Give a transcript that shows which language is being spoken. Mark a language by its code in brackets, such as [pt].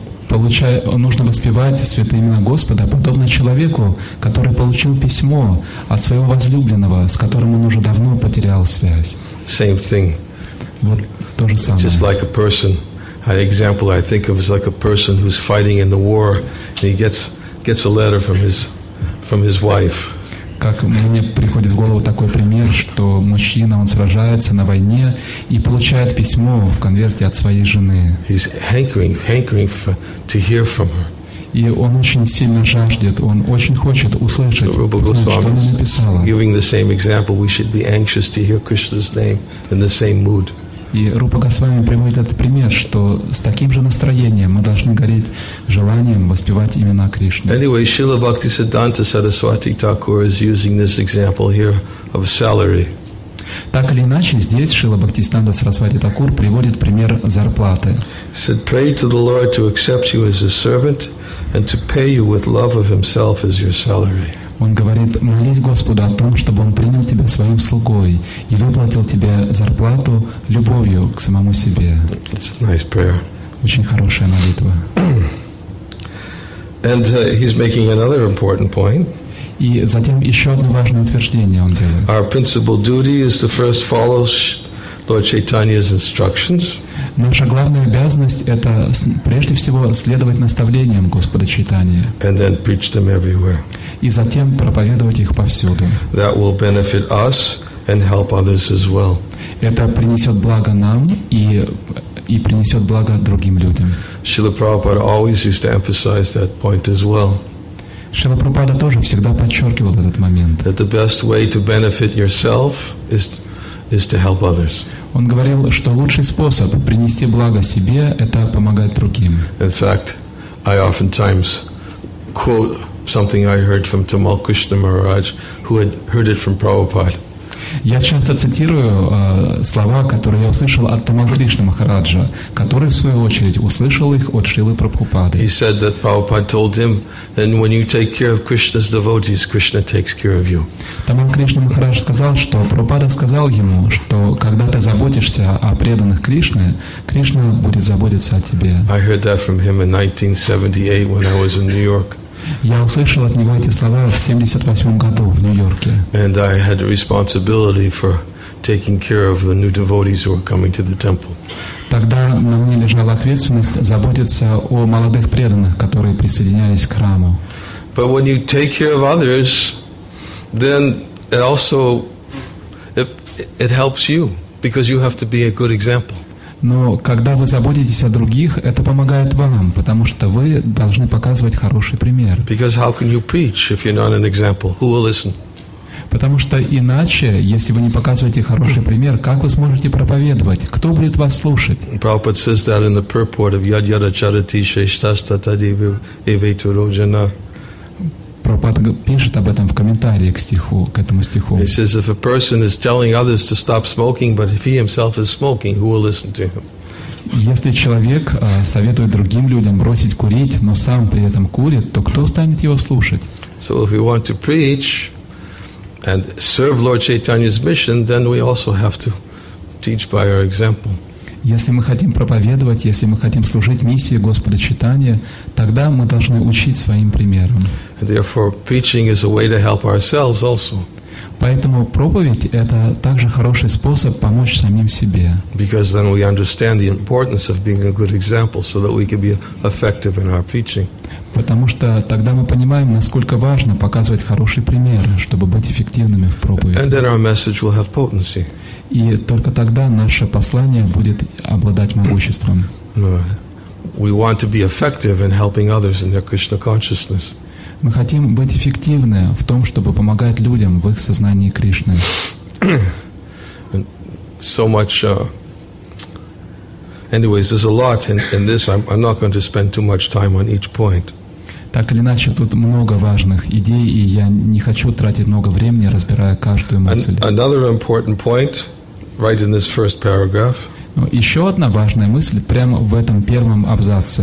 [ru] Нужно воспевать святые имена Господа подобно человеку, который получил письмо от своего возлюбленного, с которым он уже давно потерял связь. [en] Same thing. [ru] Вот то же самое. [en] Just like a person. An example I think of is like a person who's fighting in the war and he gets a letter from his wife. [ru] как мне приходит в голову такой пример, что мужчина, он сражается на войне и получает письмо в конверте от своей жены. [en] He's hankering for, to hear from her. [ru] И он очень сильно жаждет, он очень хочет услышать, so, Rupa Goswami, что она написала. [en] Giving the same example, we should be anxious to hear Krishna's name in the same mood. [ru] И Рупа Госвами приводит этот пример, что с таким же настроением мы должны гореть желанием воспевать имена Кришны. [en] Anyway, Śrīla Bhaktisiddhānta Saraswati Thakura is using this example here of salary. [ru] Так или иначе, здесь Śrīla Bhaktisiddhānta Saraswati Thakura приводит пример зарплаты. [en] He said, pray to the Lord to accept you as a servant and to pay you with love of himself as your salary. [ru] Он говорит, молись Господу о том, чтобы Он принял тебя своим слугой и выплатил тебе зарплату любовью к самому себе. [en] It's a nice prayer. [ru] Очень хорошая молитва. [en] And he's making another important point. [ru] И затем еще одно важное утверждение он делает. [en] Our principal duty is to first follow Lord Chaitanya's instructions. [ru] Наша главная обязанность – это прежде всего следовать наставлениям Господа Чайтаньи. [en] And then preach them everywhere. [ru] И затем проповедовать их повсюду. [en] That will benefit us and help others as well. [ru] Это принесет благо нам и принесет благо другим людям. [en] Śrīla Prabhupāda always used to emphasize that point as well. [ru] Śrīla Prabhupāda тоже всегда подчеркивал этот момент. [en] That the best way to benefit yourself is to help others. [ru] Он говорил, что лучший способ принести благо себе – это помогать другим. [en] In fact, I oftentimes quote something I heard from Tamal Krishna Maharaj, who had heard it from Prabhupada. [ru] Я часто цитирую слова, которые я услышал от Тамал Кришны Махараджа, который, в свою очередь, услышал их от Шрилы Прабхупады. [en] He said that Prabhupada told him, then when you take care of Krishna's devotees, Krishna takes care of you. [ru] Тамал Кришна Махарадж сказал, что Прабхупада сказал ему, что когда ты заботишься о преданных Кришне, Кришна будет заботиться о тебе. [en] I heard that from him in 1978 when I was in New York. [ru] Я услышал от него эти слова в 78 году в Нью-Йорке. [en] And I had a responsibility for taking care of the new devotees who were coming to the temple. [ru] Тогда на мне лежала ответственность заботиться о молодых преданных, которые присоединялись к храму. [en] But when you take care of others, then it also it helps you because you have to be a good example. [ru] Но когда вы заботитесь о других, это помогает вам, потому что вы должны показывать хороший пример. [en] Because how can you preach if you're not an example? Who will listen? [ru] Потому что иначе, если вы не показываете хороший пример, как вы сможете проповедовать? Кто будет вас слушать? [en] Prabhupada says that in the purport of [sa] Yad Yada Charati Sheshtasta Tadivi Evaituro Jana. [ru] Прабхупада пишет об этом в комментарии к стиху, к этому стиху. [en] He says, if a person is telling others to stop smoking, but if he himself is smoking, who will listen to him? [ru] Если человек советует другим людям бросить курить, но сам при этом курит, то кто станет его слушать? [en] So if we want to preach and serve Lord Chaitanya's mission, then we also have to teach by our example. [ru] Если мы хотим проповедовать, если мы хотим служить миссии Господа Чайтаньи, тогда мы должны учить своим примером. [en] Therefore, preaching is a way to help ourselves also. [ru] Поэтому проповедь – это также хороший способ помочь самим себе. [en] Because then we understand the importance of being a good example so that we can be effective in our preaching. [ru] Потому что тогда мы понимаем, насколько важно показывать хороший пример, чтобы быть эффективными в проповеди. [en] And then our message will have potency. [ru] И только тогда наше послание будет обладать могуществом. [en] We want to be effective in helping others in their Krishna consciousness. [ru] Мы хотим быть эффективны в том, чтобы помогать людям в их сознании Кришны. [en] So much. Anyways, there's a lot in this. I'm not going to spend too much time on each point. [ru] Так или иначе, тут много важных идей, и я не хочу тратить много времени, разбирая каждую мысль. Another important point. Right in this first paragraph. Но еще одна важная мысль прямо в этом первом абзаце.